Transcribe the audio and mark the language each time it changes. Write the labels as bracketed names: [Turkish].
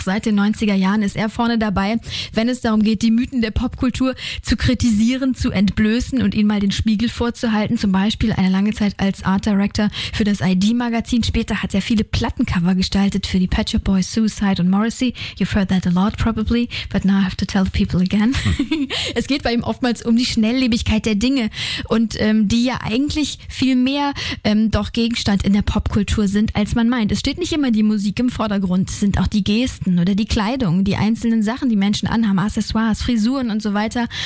[German] Seit den 90er Jahren ist er vorne dabei, wenn es darum geht, die Mythen der Popkultur zu kritisieren, zu entblößen und ihnen mal den Spiegel vorzuhalten. Zum Beispiel eine lange Zeit als Art Director für das ID-Magazin. Später hat er viele Plattencover gestaltet für die Pet Shop Boys, Suicide und Morrissey. [English] You've heard that a lot probably, but now I have to tell the people again. [German] Es geht bei ihm oftmals um die Schnelllebigkeit der Dinge und die ja eigentlich viel mehr doch Gegenstand in der Popkultur sind, als man meint. Es steht nicht immer die Musik im Vordergrund, es sind auch die Gesten oder die Kleidung, die einzelnen Sachen, die Menschen anhaben, Accessoires, Frisuren und so weiter.